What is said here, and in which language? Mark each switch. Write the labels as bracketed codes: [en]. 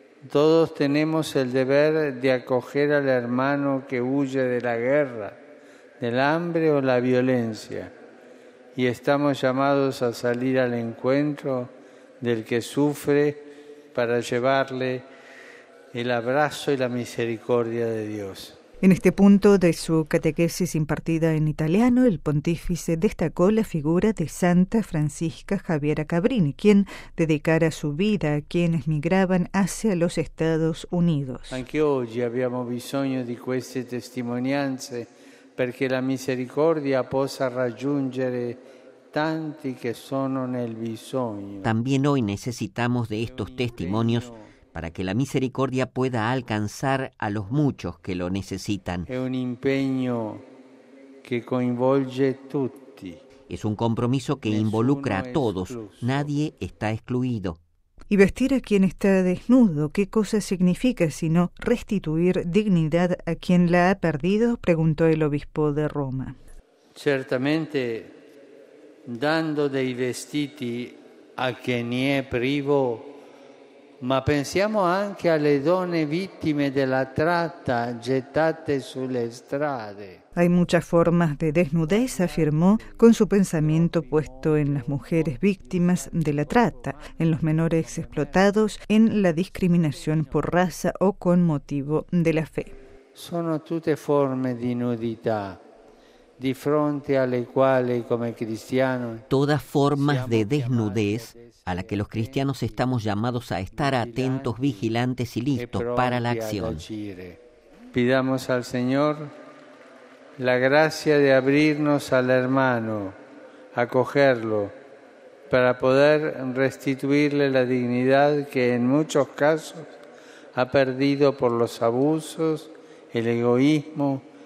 [es] Todos tenemos el deber de acoger al hermano que huye de la guerra, del hambre o la violencia, y estamos llamados a salir al encuentro del que sufre para llevarle el abrazo y la misericordia de Dios. En este punto de su catequesis impartida en italiano, el pontífice destacó la figura de Santa Francisca Javiera Cabrini, quien dedicara su vida a quienes migraban hacia los Estados Unidos. [it] Anche oggi abbiamo bisogno di queste testimonianze perché la misericordia possa raggiungere tanti che sono nel bisogno. [es] También hoy necesitamos de estos testimonios para que la misericordia pueda alcanzar a los muchos que lo necesitan. [it] È un impegno che coinvolge tutti. [es] Es un compromiso que involucra a todos. Nadie está excluido. Y vestir a quien está desnudo, ¿qué cosa significa sino restituir dignidad a quien la ha perdido?, preguntó el obispo de Roma. [it] Certamente, dando dei vestiti a chi ne è privo, ma pensiamo anche alle donne vittime della tratta gettate sulle strade. [es] Hay muchas formas de desnudez, afirmó, con su pensamiento puesto en las mujeres víctimas de la trata, en los menores explotados, en la discriminación por raza o con motivo de la fe. [it] Sono tutte forme di nudità di fronte alle quali come cristiani. [es] Todas formas de desnudez a la que los cristianos estamos llamados a estar atentos, vigilantes y listos para la acción. Pidamos al Señor la gracia de abrirnos al hermano, acogerlo, para poder restituirle la dignidad que en muchos casos ha perdido por los abusos, el egoísmo,